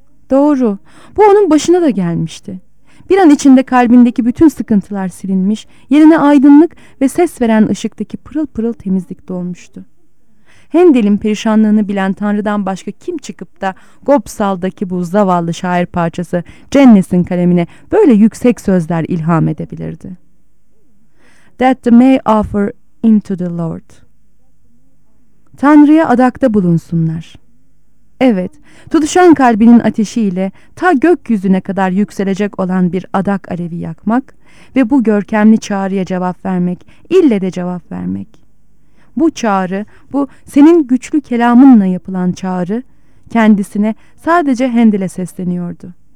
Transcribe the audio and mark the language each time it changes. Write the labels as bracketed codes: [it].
[tr] Doğru, bu onun başına da gelmişti. Bir an içinde kalbindeki bütün sıkıntılar silinmiş, yerine aydınlık ve ses veren ışıktaki pırıl pırıl temizlik dolmuştu. Handel'in perişanlığını bilen Tanrı'dan başka kim çıkıp da Gopsal'daki bu zavallı şair parçası Jennes'in kalemine böyle yüksek sözler ilham edebilirdi? [en] That the may offer into the Lord. [tr] Tanrı'ya adakta bulunsunlar. Evet, tutuşan kalbinin ateşiyle ta gökyüzüne kadar yükselecek olan bir adak alevi yakmak ve bu görkemli çağrıya cevap vermek, ille de cevap vermek. Bu çağrı, bu senin güçlü kelamınla yapılan çağrı, kendisine sadece Handel'e sesleniyordu.